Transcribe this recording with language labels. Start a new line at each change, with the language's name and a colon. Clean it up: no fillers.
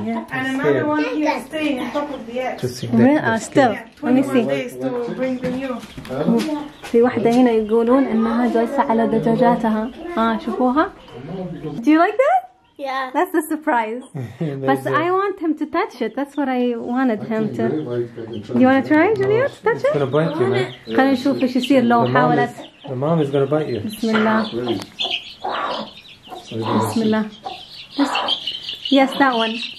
English: And another one here is staying on top of the edge. Where are still? Let me see. 21 days to bring the new.
Arabic: في واحدة هنا يقولون إنها جالسة على دجاجاتها. شوفوها.
English: Do you like that? Yeah. That's the surprise. But I want him to touch it. That's what I wanted him to. You want to try, Julia? Touch it? It's going to bite you, man.
Arabic: خلينا نشوف ايش يصير لو حاولت.
English: The mom is going to bite you.
Arabic: بسم الله. بسم الله.
English: Yes, that one.